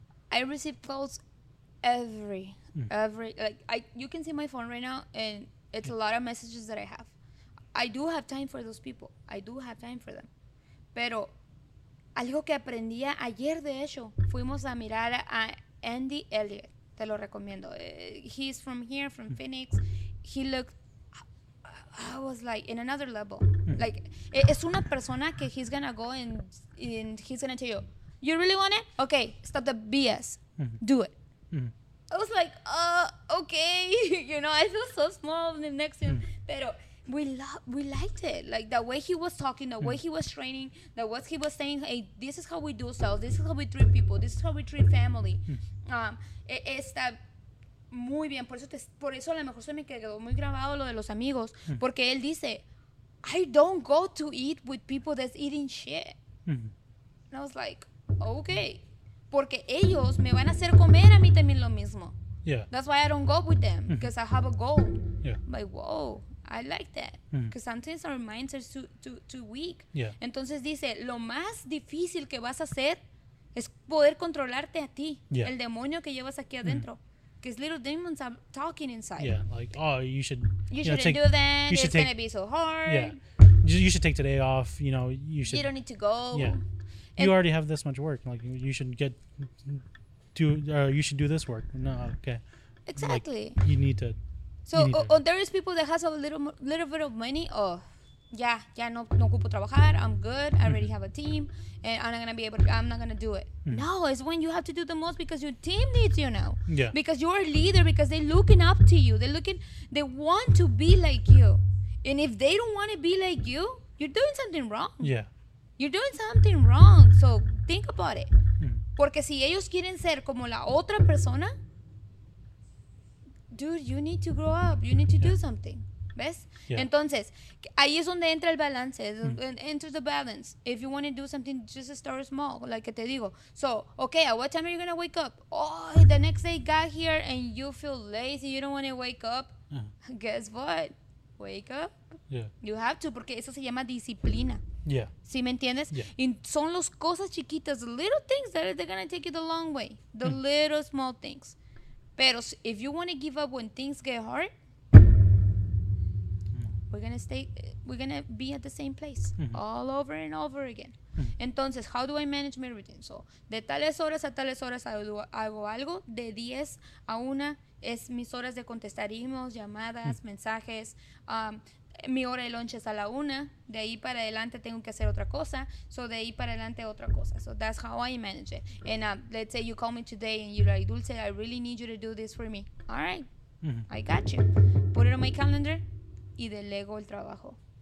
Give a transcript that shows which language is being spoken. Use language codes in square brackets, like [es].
[en] I receive calls every, like, you can see my phone right now, and it's a lot of messages that I have. I do have time for those people. I do have time for them. Pero... [es] algo que aprendí ayer, de hecho, fuimos a mirar a Andy Elliott. Te lo recomiendo. [en] He's from here, from Phoenix. He looked, I was like, in another level. Like, [es] es una persona que [en] he's gonna go and he's gonna tell you really want it? Okay, stop the BS. Do it. I was like, okay. You know, I feel so small in the next thing. Pero... We liked it. Like, the way he was talking, the way he was training, the way he was saying, hey, this is how we do sales. This is how we treat people. This is how we treat family. [es] Está muy bien. Por eso a lo mejor se me quedó muy grabado lo de los amigos. Porque él dice, [en] I don't go to eat with people that's eating shit. And I was like, okay. [es] Porque ellos me van a hacer comer a mí también lo mismo. [en] Yeah. That's why I don't go with them. Because I have a goal. Yeah. Like, whoa. I like that because sometimes our minds are too weak. Yeah. [es] Entonces dice, lo más difícil que vas a hacer es poder controlarte a ti, el demonio que llevas aquí adentro. [en] Because little demons are talking inside. Yeah, like, oh, you shouldn't take, it's going to be so hard. Yeah. You should take today off, you know, you should. You don't need to go. Yeah. You already have this much work. Like, you should get to, you should do this work. No, okay. Exactly. Like, you need to. So, there is people that has a little bit of money. Oh, yeah, yeah, [es] no ocupo trabajar. [en] I'm good. I already have a team, and I'm not gonna do it. No, it's when you have to do the most because your team needs you now. Yeah. Because you're a leader. Because they're looking up to you. They want to be like you. And if they don't want to be like you, you're doing something wrong. Yeah. You're doing something wrong. So think about it. [es] Porque si ellos quieren ser como la otra persona. [en] Dude, you need to grow up. You need to do something. ¿Ves? Yeah. [es] Entonces, ahí es donde entra el balance. [en] Enter the balance. If you want to do something, just start small, like [es] que te digo. [en] So, okay, at what time are you going to wake up? Oh, the next day got here and you feel lazy. You don't want to wake up. Uh-huh. Guess what? Wake up. Yeah. You have to, [es] porque eso se llama disciplina. [en] Yeah. [es] ¿Sí me entiendes? [en] Yeah. [es] Y son las cosas chiquitas, [en] little things that are going to take you the long way. The little small things. But if you want to give up when things get hard, we're gonna be at the same place all over and over again. Entonces, how do I manage my routine? [es] So, de tales horas hago algo, de 10 a 1 es mis horas de contestar emails, llamadas, mensajes, mi hora de lunch es a la 1, de ahí para adelante tengo que hacer otra cosa, so de ahí para adelante otra cosa. [en] So that's how I manage it. And let's say you call me today and you're like, Dulce, I really need you to do this for me. All right, I got you. Put it on my calendar [es] y delego el trabajo.